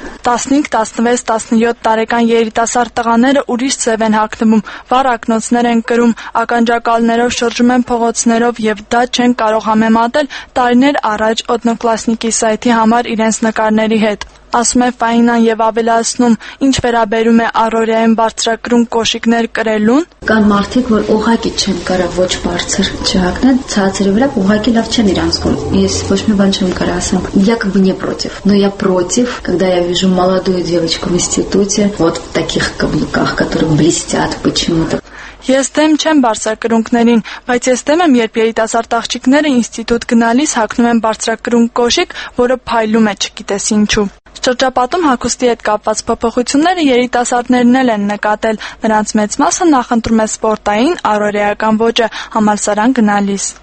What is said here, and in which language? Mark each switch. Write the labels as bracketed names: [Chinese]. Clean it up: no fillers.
[Armenian] 15-16-17 տարեկան երիտասարդ տղաները ուրիշ ձև են հագնում, վառ ակնոցներ են կրում, ականջակալներով շրջում են փողոցներով եւ դա չեն կարող համեմատել տարիներ առաջ օդնոկլասնիկի սայթի համար իրենց նկարների հետ, ասում է Ֆայնան եւ ավելացնում, ինչ վերաբերում է առօրյայում բարձրագույն կոշիկներ կրելուն. Կան մարդիկ, որ ուղակի չեն կարող ոչ բարձր չհագնել, ցածրի վրա ուղակի լավ չեն իրան զգում. Ես ոչ մի բան չեմ կարա ասեմ. [Russian] Я как бы не против, но я против, когда я вижу молодую девочку в институте вот в таких каблуках, которые блестят почему-то. [Armenian] Ես դեմ չեմ բարձրակրունկներին, բայց ես դեմ եմ, երբ երիտասարդ աղջիկները ինստիտուտ գնալիս հագնում են բարձրակրունկ կոշիկ, որը փայլում է չգիտես ինչու։ Շրջապատում հագուստի հետ կապված փոփոխությունները երիտասարդներն էլ են նկատել, նրանց մեծ մասը նախընտրում է սպորտային առօրեական ոճը համալսարան գնալիս։